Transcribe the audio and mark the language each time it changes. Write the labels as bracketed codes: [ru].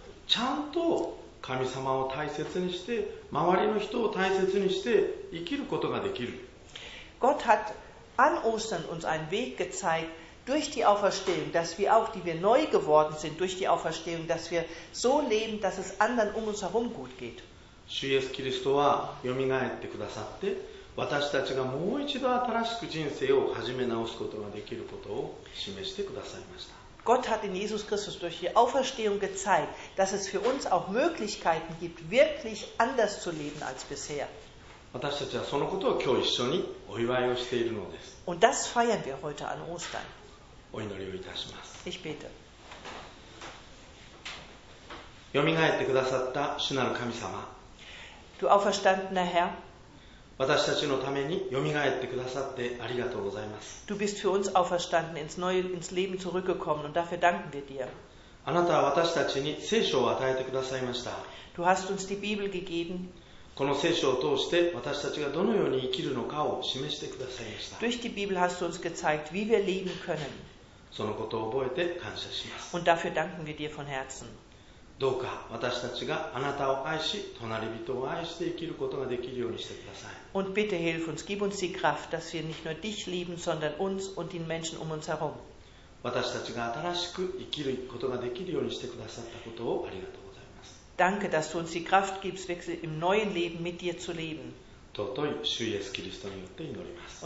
[ja] ちゃんと神様を大切にして、周りの人を大切にして生きることができる。 [de] Gott hat an Ostern uns einen Weg gezeigt, durch die Auferstehung, dass wir auch, die wir neu geworden sind, durch die Auferstehung, dass wir so leben, dass es anderen um uns herum gut geht. [ja] 主イエス・キリストはよみがえってくださって、私たちがもう一度新しく人生を始め直すことができることを示してくださいました。 [de] Gott hat in Jesus Christus durch die Auferstehung gezeigt, dass es für uns auch Möglichkeiten gibt, wirklich anders zu leben als bisher. [ja] 私たちはそのことを今日一緒にお祝いをしているのです。 [de] Und das feiern wir heute an Ostern. [ja] お祈りをいたします。 [de] Ich bete. [ja] よみがえってくださった主なる神様。 [de] Du auferstandener Herr. [ja] 私たちのためによみがえってくださってありがとうございます。 [de] Du bist für uns auferstanden, ins Leben zurückgekommen und dafür danken wir dir. [ja] あなたは私たちに聖書を与えてくださいました。 [de] Du hast uns die Bibel gegeben. [ja] この聖書を通して私たちがどのように生きるのかを示してくださいました。 [de] Durch die Bibel hast du uns gezeigt, wie wir leben können. [ja] そのことを覚えて感謝します。 [de] Und dafür danken wir dir von Herzen. [ja] どうか私たちがあなたを愛し、隣人を愛して生きることができるようにしてください。 [de] Und bitte hilf uns, gib uns die Kraft, dass wir nicht nur dich lieben, sondern uns und die Menschen um uns herum. [ja] 私たちが新しく生きることができるようにしてくださったことをありがとうございます。 [de] Danke, dass du uns die Kraft gibst, wirklich im neuen Leben mit dir zu leben. [ja] 尊い主イエスキリストによって祈ります。